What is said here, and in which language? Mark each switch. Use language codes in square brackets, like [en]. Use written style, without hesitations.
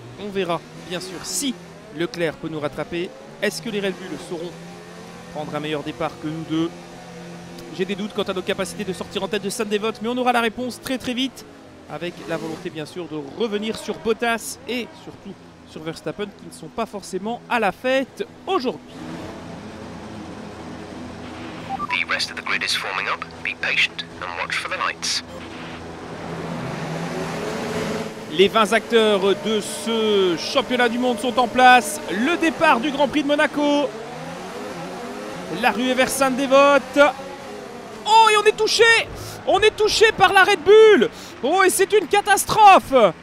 [fr] On verra bien sûr si Leclerc peut nous rattraper. Est-ce que les Red Bull sauront prendre un meilleur départ que nous deux? J'ai des doutes quant à nos capacités de sortir en tête de Sunday Vote, mais on aura la réponse très très vite avec la volonté bien sûr de revenir sur Bottas et surtout sur Verstappen qui ne sont pas forcément à la fête aujourd'hui. [en] The rest of the grid is forming up. Be patient and watch for the lights. [fr] Les 20 acteurs de ce championnat du monde sont en place. Le départ du Grand Prix de Monaco. La rue est vers Sainte Dévote. Oh, et on est touché! On est touché par la Red Bull! Oh, et c'est une catastrophe!